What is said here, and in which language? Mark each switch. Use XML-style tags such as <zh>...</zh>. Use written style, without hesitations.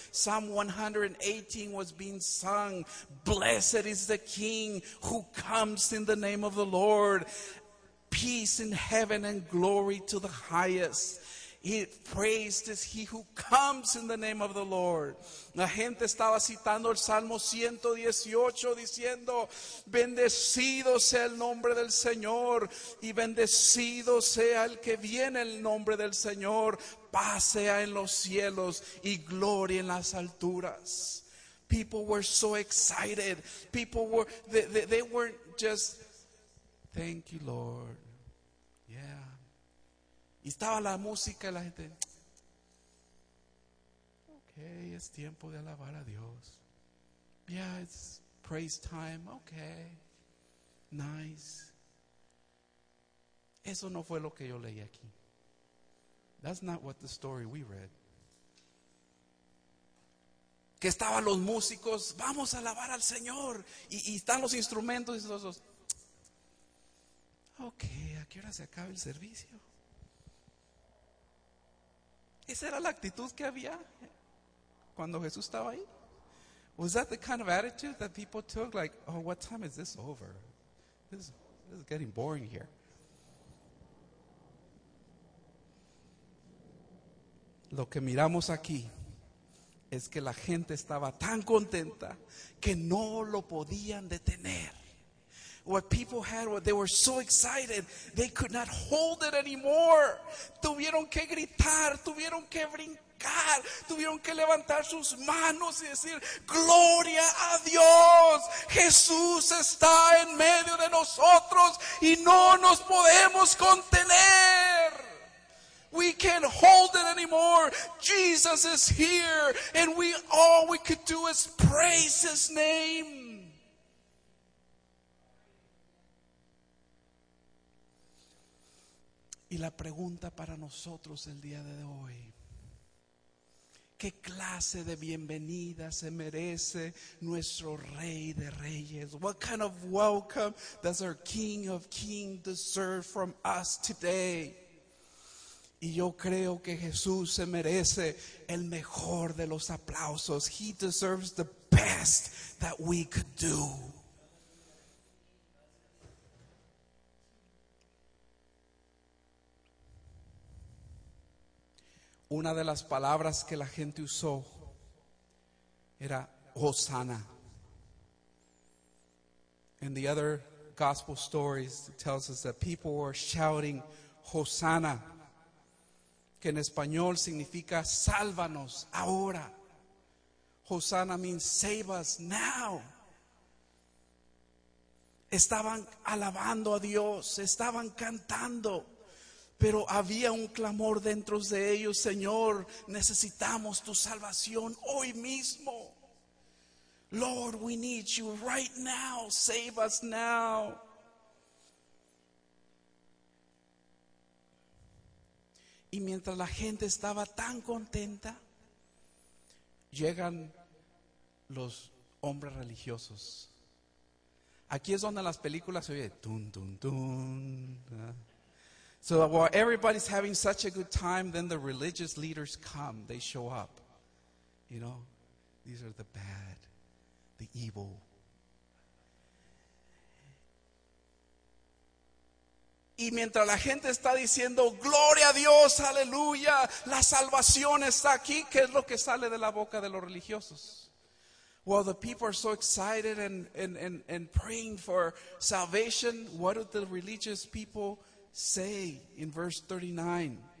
<en>Psalm 118 was being sung. Blessed is the King who comes in the name of the Lord. Peace in heaven and glory to the highest. Praised is he who comes in the name of the Lord.</en> <es>La gente estaba citando el Salmo 118 diciendo, bendecido sea el nombre del Señor y bendecido sea el que viene el nombre del Señor. Paz sea en los cielos y gloria en las alturas.</es> <en>People were so excited. People were, they weren't just, thank you Lord.</en> <es>Yeah. Y estaba la música y la gente.</es> <en>Okay,</en> <es>es tiempo de alabar a Dios.</es> <en>Yeah, it's praise time. Okay. Nice.</en> <es>Eso no fue lo que yo leí aquí.</es> <en>That's not what the story we read.</en> <es>Que estaban los músicos, vamos a alabar al Señor. Y están los instrumentos y esos. Ok, ¿a qué hora se acaba el servicio? ¿Esa era la actitud que había cuando Jesús estaba ahí?</es> <en>Was that the kind of attitude that people took? Like, oh, what time is this over? This is getting boring here.</en> <es>Lo que miramos aquí es que la gente estaba tan contenta que no lo podían detener.</es> <en>What people had, what they were so excited, they could not hold it anymore.</en> <es>Tuvieron que gritar, tuvieron que brincar, tuvieron que levantar sus manos y decir, Gloria a Dios, Jesús está en medio de nosotros y no nos podemos contener.</es> <en>We can't hold it anymore. Jesus is here and all we could do is praise his name.</en> <es>Y la pregunta para nosotros el día de hoy, ¿qué clase de bienvenida se merece nuestro Rey de Reyes?</es> <en>What kind of welcome does our King of Kings deserve from us today?</en> <es>Y yo creo que Jesús se merece el mejor de los aplausos.</es> <en>He deserves the best that we could do.</en> <es>Una de las palabras que la gente usó era Hosanna.</es> <en>In the other gospel stories, it tells us that people were shouting Hosanna,</en> <es>que en español significa sálvanos ahora.</es> <en>Hosanna means save us now.</en> <es>Estaban alabando a Dios, estaban cantando. Pero había un clamor dentro de ellos, Señor, necesitamos tu salvación hoy mismo.</es> <en>Lord, we need you right now, save us now.</en> <es>Y mientras la gente estaba tan contenta, llegan los hombres religiosos. Aquí es donde las películas se oyen, tun, tun, tun.</es> <en>So while everybody's having such a good time, then the religious leaders come. They show up. You know, these are the bad, the evil.</en> <es>Y mientras la gente está diciendo, Gloria a Dios, aleluya, la salvación está aquí, ¿qué es lo que sale de la boca de los religiosos?</es> <en>While the people are so excited and praying for salvation, what do the religious people say in verse 39,</en>